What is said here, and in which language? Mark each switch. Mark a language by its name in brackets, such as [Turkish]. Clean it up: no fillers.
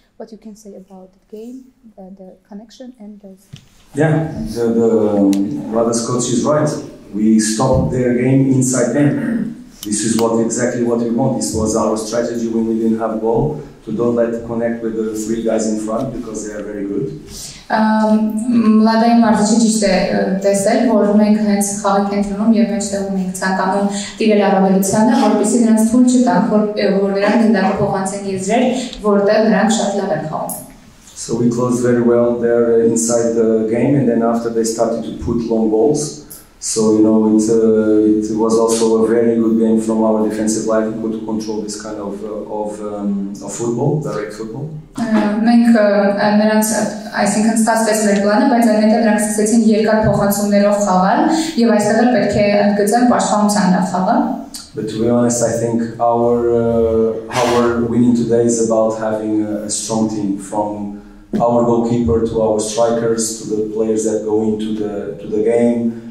[English] What you can say about the game, the connection and those? Yeah, the Mladá's coach is right. We stopped their game inside them. This is exactly what we want. This was our strategy when we didn't have a ball, to don't let connect with the three guys in front because they are very good. [Armenian] Մլադայի մարզիչը ճիշտ է տեսել, որ մենք հենց խաղի կենտրոնում և մեջտեղ ունենք ցանկանում տիրել առավելությանը, որպեսզի նրանց թույլ չտանք, որ նրանք գնդակը փոխանցեն եզրեր, որտեղ նրանք շատ լավ են խաղում։ [English] So we closed very well there inside the game and then after they started to put long balls. So, you know, it was also a very good game from our defensive line to control this kind of football, direct football. But to be honest, I think our winning today is about having a strong team, from our goalkeeper to our strikers to the players that go into the game.